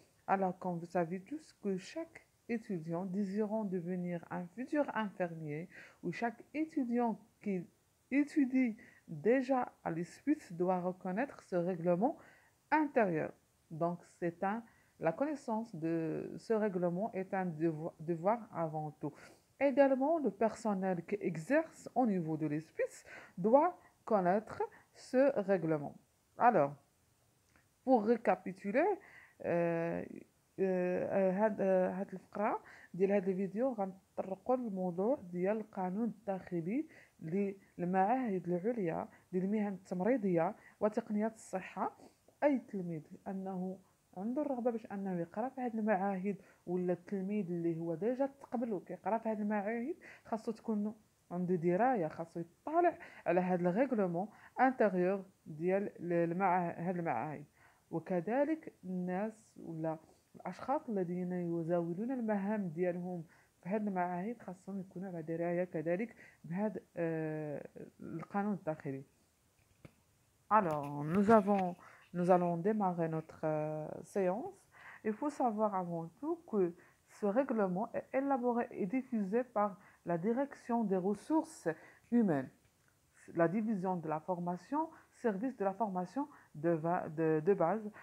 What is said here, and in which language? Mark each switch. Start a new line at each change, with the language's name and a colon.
French: Alors, comme vous savez tous que chaque étudiant désirant devenir un futur infirmier ou chaque étudiant qui étudie déjà à l'ESPIT doit reconnaître ce règlement intérieur. Donc, la connaissance de ce règlement est un devoir avant tout. Également, le personnel qui exerce au niveau de l'ESPIS doit connaître ce règlement.
Arabic: Alors,
French: pour récapituler,
Arabic: هاد الفقرة ديال هاد الفيديو غنطرقوا للموضوع ديال القانون الداخلي للمعاهد العليا للمهن التمريضية وتقنيات الصحة. أي تلميذ أنه عنده الرغبة باش أنه يقرأ في هاد المعاهد ولا التلميذ اللي هو ديجا تقبله كيقرأ في هاد المعاهد خاصو تكون عنده دراية، خاصو يطالع على هاد الريغلومون انتيريور ديال هاد المعاهد. وكذلك الناس ولا الأشخاص الذين يزاولون المهام ديالهم في هذه المعاهد خاصهم يكونوا على دراية كذلك بهذا القانون الداخلي.
French: Alors, nous allons démarrer notre séance. Il faut savoir avant tout que ce règlement est élaboré et diffusé par la direction des ressources humaines, la division de la formation, service de la formation de base.